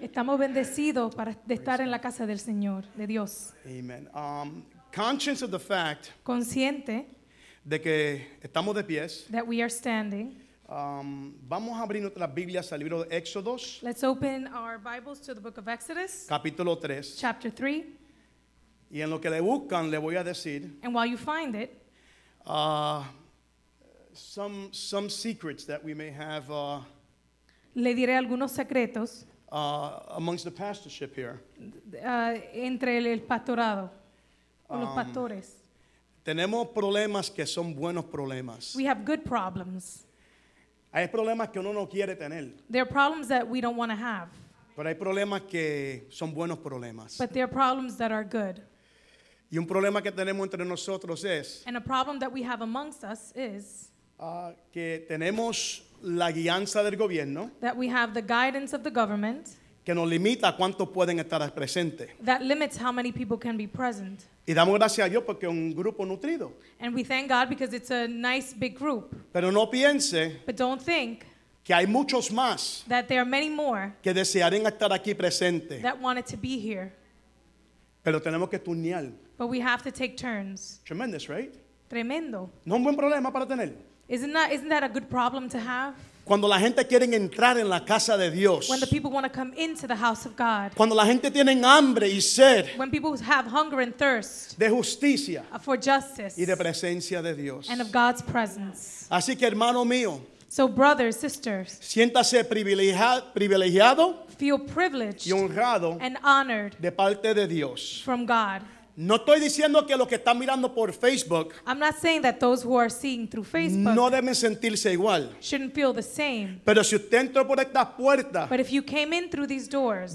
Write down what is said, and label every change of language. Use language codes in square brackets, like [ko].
[es] Estamos bendecidos para de estar en la casa del Señor, de Dios. [en] Amen. Conscious of the fact. [es] Consciente. De que estamos de pies. [en] That we are standing. [es] Vamos a abrir nuestras Biblias al libro de Éxodos. [en] Let's open our Bibles to the book of Exodus. [es] Capítulo 3. [en] Chapter 3. [es] Y en lo que le buscan, le voy a decir. [en] And while you find it. Some secrets that we may have. [es] Le diré algunos secretos. [en] Amongst the pastorship here. [es] Entre el pastorado. O los pastores. Tenemos problemas que son buenos problemas. [en] We have good problems. [es] Hay problemas que uno no quiere tener. [en] There are problems that we don't want to have. [es] Pero hay problemas que son buenos problemas. [en] But there are problems that are good. [es] Y un problema que tenemos entre nosotros es. [en] And a problem that we have amongst us is. [es] Que tenemos la guianza del gobierno. [en] That we have the guidance of the government. [es] Que nos limita cuánto pueden estar presentes. [en] That limits how many people can be present. [es] Y damos gracias a Dios porque es un grupo nutrido. [en] And we thank God because it's a nice big group. [es] Pero no piense. [en] But don't think. [es] Que hay muchos más. [en] That there are many more. [es] Que desearían estar aquí presente. [en] That wanted to be here. [es] Pero tenemos que turnear. [en] But we have to take turns. Tremendous, right? [es] Tremendo. No un buen problema para tener. [en] Isn't that a good problem to have? [es] Cuando la gente quieren entrar en la casa de Dios. [en] When the people want to come into the house of God. [es] Cuando la gente tienen hambre y sed. [en] When people have hunger and thirst. [es] De justicia. [en] For justice. [es] Y de presencia de Dios. [en] And of God's presence. [es] Así que hermano mío. [en] So brothers, sisters. [es] Siéntase privilegiado. [en] Feel privileged. [es] Y honrado. [en] And honored. [es] De parte de Dios. [en] From God. [es] No estoy diciendo que los que están mirando por Facebook, [en] I'm not saying that those who are seeing through Facebook, [es] no deben sentirse igual. [en] Shouldn't feel the same. [es] Pero si usted entró por estas puertas, [en] but if you came in through these doors,